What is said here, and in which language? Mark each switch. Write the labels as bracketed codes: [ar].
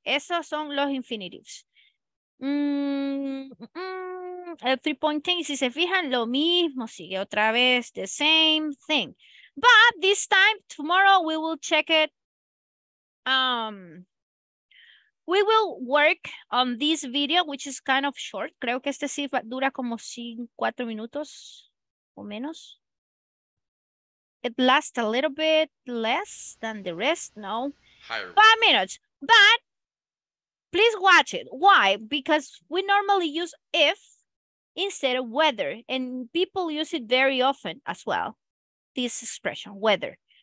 [es] Esos son los infinitives. 3.10, si se fijan, lo mismo, sigue otra vez, [en] the same thing. But this time, tomorrow, we will check it. We will work on this video, which is kind of short. [es] Creo que este sí dura como 5-4 minutos o menos. [en] It lasts a little bit less than the rest. No, higher. 5 minutes. But please watch it. Why? Because we normally use if instead of whether, and people use it very often as well, this expression, whether.